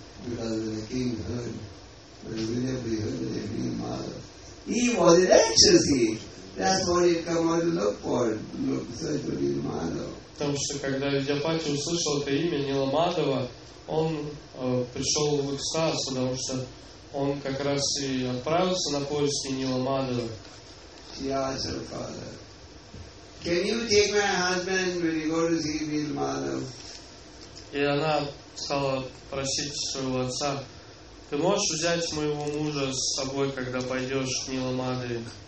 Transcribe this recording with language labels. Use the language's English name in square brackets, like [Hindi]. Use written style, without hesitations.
[Russian] Потому что когда Видьяпати услышал это имя Нила Мадхава, он пришел в экстаз, потому что он как раз и отправился на поиски Нила Мадхава. [English] Can you take my husband when you go to see Neel Madhav? [Russian] И она стала просить своего отца, ты можешь взять моего мужа с собой, когда пойдешь к Нила Мадхаве?